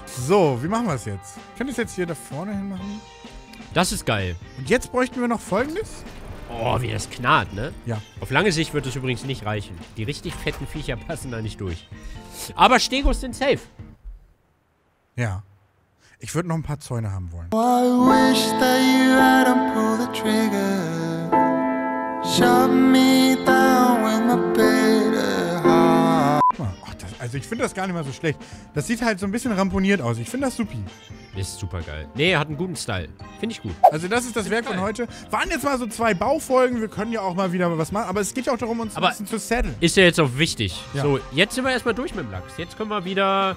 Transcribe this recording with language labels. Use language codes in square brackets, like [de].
[de] So, wie machen wir es jetzt? Können wir es jetzt hier da vorne hin machen? Das ist geil. Und jetzt bräuchten wir noch Folgendes. Oh, wie das knarrt, ne? Ja. Auf lange Sicht wird es übrigens nicht reichen. Die richtig fetten Viecher passen da nicht durch. Aber Stegos sind safe. Ja. Ich würde noch ein paar Zäune haben wollen. [en] I wish that you hadn't pulled the trigger. Shut me down with my bitter heart. [de] Ach, das, also ich finde das gar nicht mal so schlecht. Das sieht halt so ein bisschen ramponiert aus. Ich finde das supi. Ist super geil. Nee, hat einen guten Style. Finde ich gut. Also das ist das Werk von heute. Waren jetzt mal so zwei Baufolgen. Wir können ja auch mal wieder was machen. Aber es geht ja auch darum, uns ein bisschen zu setteln. Ist ja jetzt auch wichtig. Ja. So, jetzt sind wir erstmal durch mit dem Lachs. Jetzt können wir wieder...